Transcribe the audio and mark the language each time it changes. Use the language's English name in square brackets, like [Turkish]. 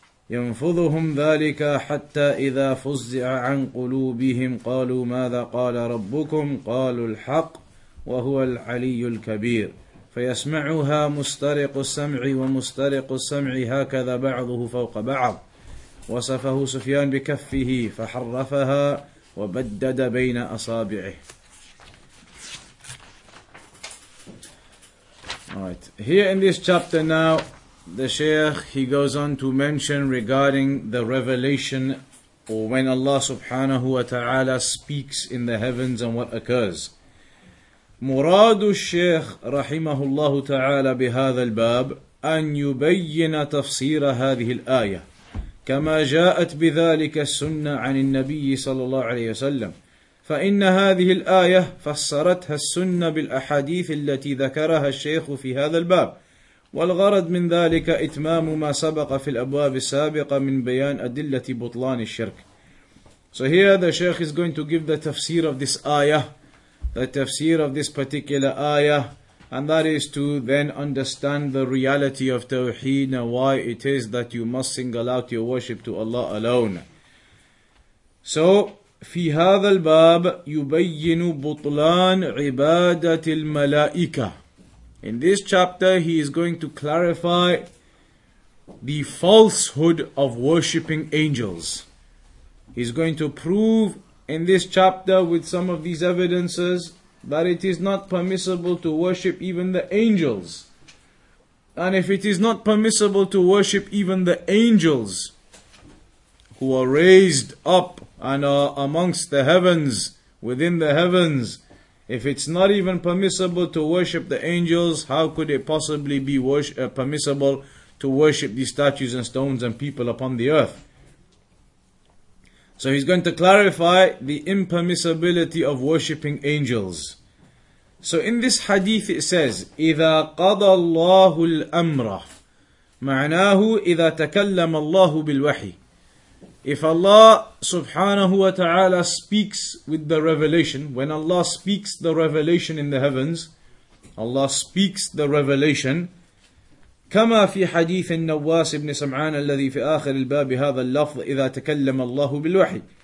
[Arabic] ينفذهم ذلك حتى إذا فزع عن قلوبهم قالوا ماذا قال ربكم قالوا الحق وهو العلي الكبير فيسمعها مسترق السمع ومسترق السمع هكذا بعضه فوق بعض وصفه سفيان بكفه فحرفها وبدد بين أصابعه. [English] Alright, here in this chapter now, the Shaykh, he goes on to mention regarding the revelation or when Allah subhanahu wa ta'ala speaks in the heavens and what occurs. [Arabic] مُرَادُ الشَّيْخ رَحِمَهُ اللَّهُ تَعَالَى بِهَذَا الْبَابِ أَنْ يُبَيِّنَ تَفْصِيرَ هَذِهِ الْآيَةِ كَمَا جَاءَتْ بِذَلِكَ السُّنَّةِ عَنِ النَّبِيِّ صَلَى اللَّهُ عَلَيْهِ وَسَلَّمَ فإن هذه الآية فسرتها السنة بالأحاديث التي ذكرها الشيخ في هذا الباب والغرض من ذلك إتمام ما سبق في الأبواب السابقة من بيان أدلة بطلان الشرك. [English] So here the Shaykh is going to give the tafsir of this ayah, the tafsir of this particular ayah, and that is to then understand the reality of Tawheed and why it is that you must single out your worship to Allah alone. [Arabic] So في هذا الباب يبين بطلان عبادة الملائكة. [English] In this chapter, he is going to clarify the falsehood of worshipping angels. He's going to prove in this chapter with some of these evidences that it is not permissible to worship even the angels. And if it is not permissible to worship even the angels who are raised up and are amongst the heavens, within the heavens, if it's not even permissible to worship the angels, how could it possibly be permissible to worship these statues and stones and people upon the earth? So he's going to clarify the impermissibility of worshipping angels. So in this hadith it says, [Arabic] إِذَا قَضَى اللَّهُ الْأَمْرَ مَعْنَاهُ إِذَا تَكَلَّمَ اللَّهُ بِالْوَحِي. [English] If Allah subhanahu wa ta'ala speaks with the revelation, when Allah speaks the revelation in the heavens, Allah speaks the revelation, [Arabic] كما في حديث النواس بن سمعان الذي في آخر الباب هذا اللفظ إذا تكلم الله بالوحي.